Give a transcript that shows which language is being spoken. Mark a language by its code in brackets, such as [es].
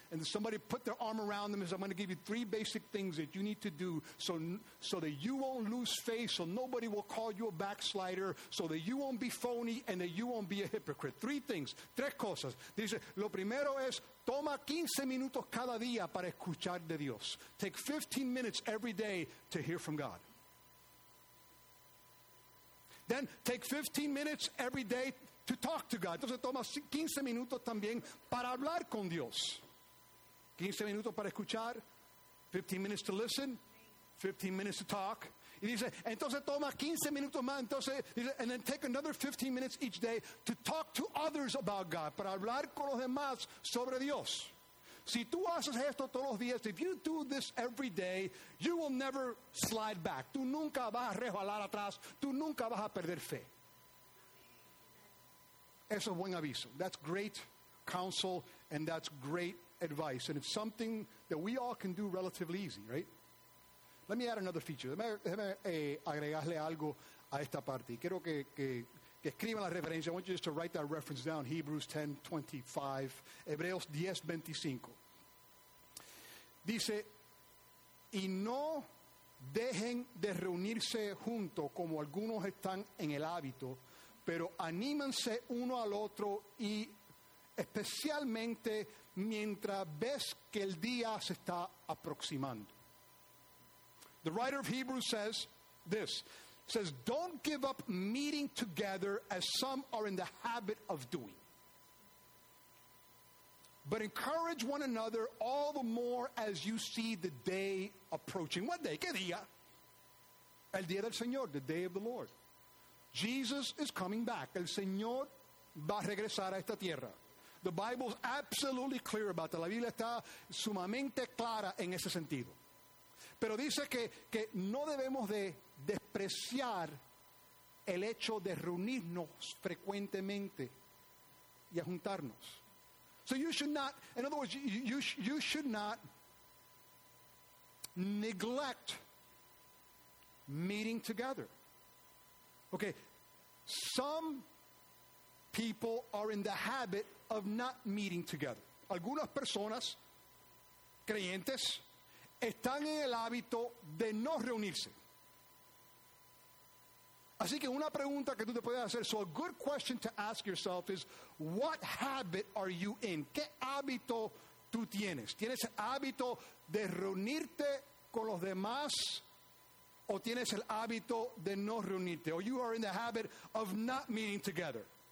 [en] And somebody put their arm around them and said, I'm going to give you three basic things that you need to do so that you won't lose faith, so nobody will call you a backslider, so that you won't be phony and that you won't be a hypocrite. Three things. [es] Tres cosas. Dice, lo primero es, toma 15 minutos cada día para escuchar de Dios. [en] Take 15 minutes every day to hear from God. Then take 15 minutes every day to talk to God. [es] Entonces toma 15 minutos también para hablar con Dios. 15 minutos para escuchar, [en] 15 minutes to listen, 15 minutes to talk. [es] Y dice, entonces toma 15 minutos más, entonces, [en] and then take another 15 minutes each day to talk to others about God, [es] para hablar con los demás sobre Dios. Si tú haces esto todos los días, [en] if you do this every day, you will never slide back. [es] Tú nunca vas a resbalar atrás, tú nunca vas a perder fe. Eso es buen aviso. [en] That's great counsel and that's great advice. And it's something that we all can do relatively easy, right? Let me add another feature. [es] Déjame agregarle algo a esta parte. Quiero que escriban la referencia. [en] I want you just to write that reference down. Hebrews 10:25. Hebreos 10:25. [es] Dice, y no dejen de reunirse junto como algunos están en el hábito, pero anímense uno al otro, y especialmente mientras ves que el día se está aproximando. [en] The writer of Hebrews says this. Says, don't give up meeting together as some are in the habit of doing. But encourage one another all the more as you see the day approaching. What day? [es] ¿Qué día? El día del Señor, [en] the day of the Lord. Jesus is coming back. [es] El Señor va a regresar a esta tierra. [en] The Bible is absolutely clear about that. [es] La Biblia está sumamente clara en ese sentido. Pero dice que no debemos de despreciar el hecho de reunirnos frecuentemente y a juntarnos. [en] So you should not, in other words, you should not neglect meeting together. Okay, some people are in the habit of not meeting together. [es] Algunas personas creyentes están en el hábito de no reunirse. Así que una pregunta que tú te puedes hacer, [en] so a good question to ask yourself is, what habit are you in? [es] ¿Qué hábito tú tienes? ¿Tienes el hábito de reunirte con los demás? ¿O tienes el hábito de no reunirte? [en] Or you are in the habit of not meeting together.